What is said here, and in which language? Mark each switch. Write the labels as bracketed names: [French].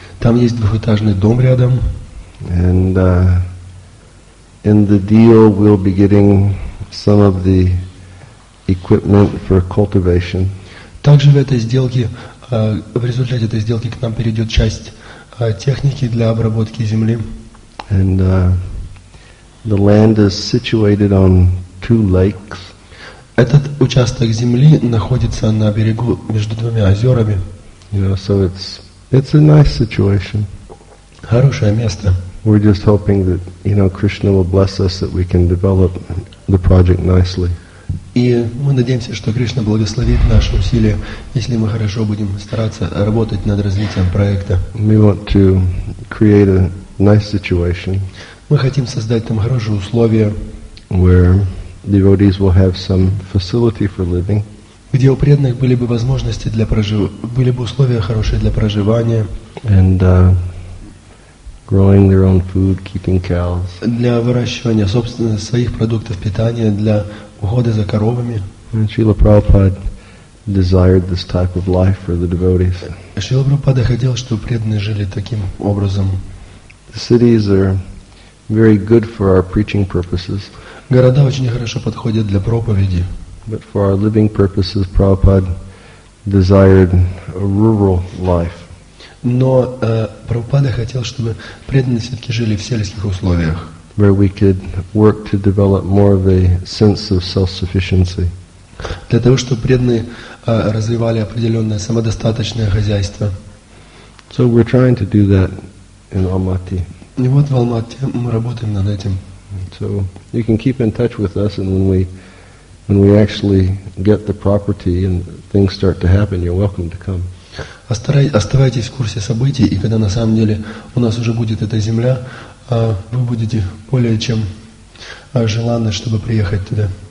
[Russian] Там есть двухэтажный дом рядом. [English] And in the deal, we'll be getting some of the equipment for cultivation. [Russian] Также в этой сделке, в результате этой сделки к нам перейдет часть техники для обработки земли. [English] And the land is situated on two lakes. [Russian] Этот участок земли находится на берегу между двумя озерами. [English] You know, so it's a nice situation. [Russian] Хорошее место. [English] We're just hoping that, you know, Krishna will bless us that we can develop the project nicely. [Russian] И мы надеемся, что Кришна благословит наши усилия, если мы хорошо будем стараться работать над развитием проекта. [English] We want to create a nice situation. [Russian] Мы хотим создать там хорошие условия. [English] Where devotees will have some facility for living. [Russian] Где у преданных были бы возможности для были бы условия хорошие для проживания. [English] And growing their own food, keeping cows. [Russian] Для выращивания собственно своих продуктов питания, для ухода за коровами. [English] Шрила Прабхупада desired this type of life for the devotees. [Russian] Шрила Прабхупада хотел, чтобы преданные жили таким образом. [English] The cities are very good for our preaching purposes. [Russian] Города очень хорошо подходят для проповеди. [English] But for our living purposes, Prabhupada desired a rural life. [Russian] Но Прабхупада хотел, чтобы преданные все-таки жили в сельских условиях. [English] Where we could work to develop more of a sense of self-sufficiency. [Russian] Для того, чтобы преданные развивали определенное самодостаточное хозяйство. [English] So we're trying to do that in Almaty. [Russian] И вот в Алмате мы работаем над этим. [English] So you can keep in touch with us, and when we actually get the property and things start to happen, you're welcome to come. [Russian] Оставайтесь в курсе событий, и когда на самом деле у нас уже будет эта земля, вы будете более чем желанны, чтобы приехать туда.